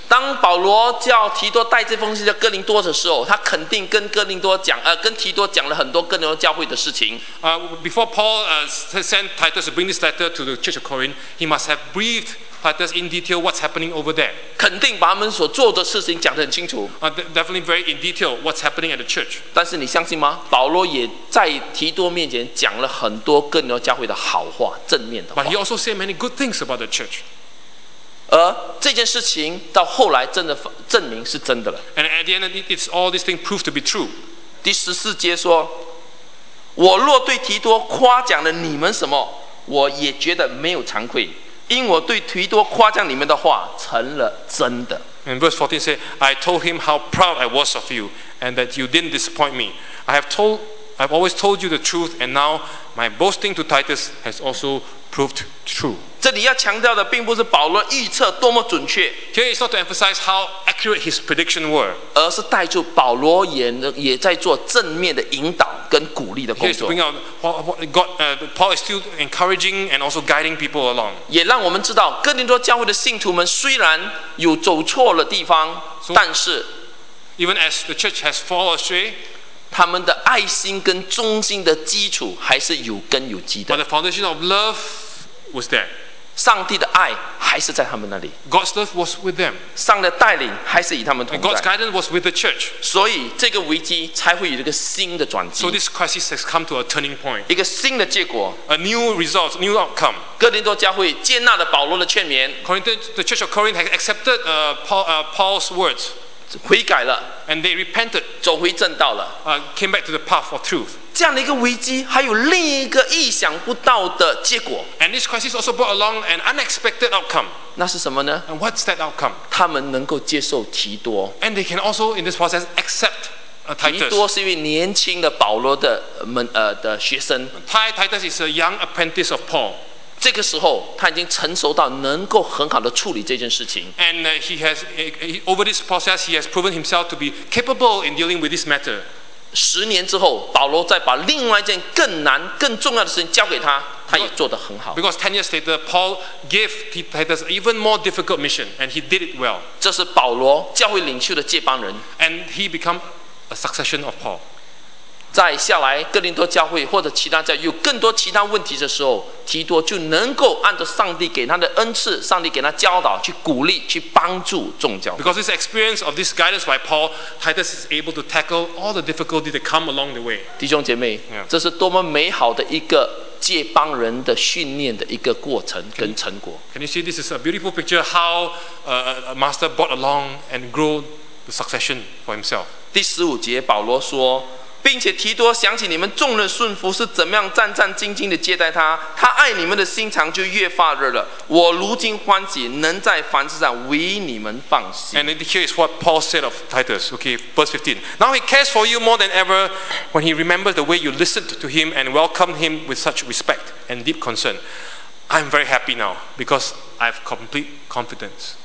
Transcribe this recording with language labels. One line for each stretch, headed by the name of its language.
Chinese: 当保罗叫提多带这封信到哥林多的时候，他肯定跟哥林多讲，跟提多讲了很多哥林多教会的事情。
English: Before Paul sent Titus to bring this letter to the church of Corinth, he must have briefed Titus in detail what's happening over there.
Chinese: 肯定把他们所做的事情讲得很清楚。
English: Definitely very in detail what's happening at the church.
Chinese: 但是你相信吗？保罗也在提多面前讲了很多哥林多教会的好话，正面的话。
English: But he also said many good things about the church.
Chinese: 而这件事情到后来真的证明是真的了。
English: And at the end, it's all this thing proved to be true.
Chinese: 第十四节说，我若对提多夸奖了你们什么，我也觉得没有惭愧，因我对提多夸奖你们的话成了真的。
English: And verse 14 says, I told him how proud I was of you, and that you didn't disappoint me. I've always told you the truth, and now my boasting to Titus has also proved true.
Chinese: 这里要强调的并不是保罗预测多么准确
English: Here is not to emphasize how accurate his prediction were
Chinese: 而是带出保罗 也在做正面的引导跟鼓励的工作
English: Here is to bring out what God, Paul is still encouraging and also guiding people along
Chinese: 也让我们知道哥林多教会的信徒们虽然有走错了地方 so, 但是
English: Even as the church has fallen astray
Chinese: 他们的爱心跟忠心的基础还是有根有基的
English: But the foundation of loveWas there.
Chinese: 上帝的爱还是在他们那里。
English: God's love was with them.
Chinese: 上帝的带领还是与他们同在。
English: And God's guidance was with the church.
Chinese: 所以这个危机才会有一个新的转机。
English: So this crisis has come to a turning point.
Chinese: 一个新的结果。
English: A new result, new outcome.
Chinese: 哥林多教会接纳了保罗的劝勉。
English: The church of Corinth has accepted Paul's words.
Chinese: 悔改了。
English: And they repented.
Chinese: 走回正道了。
English: Came back to the path of truth.
Chinese: 这样的一个危机还有另一个意想不到的结果
English: and this crisis also brought along an unexpected outcome
Chinese: 那是什么呢
English: and what's that outcome
Chinese: 他们能够接受提多
English: and they can also in this process accept Titus
Chinese: 提多是一位年轻的保罗 的学生
English: Titus is a young apprentice of Paul
Chinese: 这个时候他已经成熟到能够很好的处理这件事情
English: and he has over this process he has proven himself to be capable in dealing with this matter
Chinese: 十年之后，保罗再把另外一件更难、更重要的事情交给他，他也做得很好。
English: Because 10 years later, Paul gave Titus an even more difficult mission, and he did it well.
Chinese: 这是保罗教会领袖的接班人。
English: And he became a succession of Paul.
Chinese: 在下来哥林多教会或者其他教会有更多其他问题的时候，提多就能够按照上帝给他的恩赐、上帝给他教导去鼓励、去帮助众教会。
English: Because this experience of this guidance by Paul, Titus is able to tackle all the difficulties that come along the way.
Chinese: 弟兄姐妹，
English: yeah.
Chinese: 这是多么美好的一个接班人的训练的一个过程跟成果。
English: Can you see this is a beautiful picture how a master brought along and grew the succession for himself?
Chinese: 第十五节，保罗说。并且提多想起你们众人顺服是怎么样战战兢兢地接待他，他爱你们的心肠就越发热了。我如今欢喜，能在凡事上为你们放心。
English: And here is what Paul said of Titus, okay, verse 15. Now he cares for you more than ever when he remembers the way you listened to him and welcomed him with such respect and deep concern. I'm very happy now because I have complete confidence.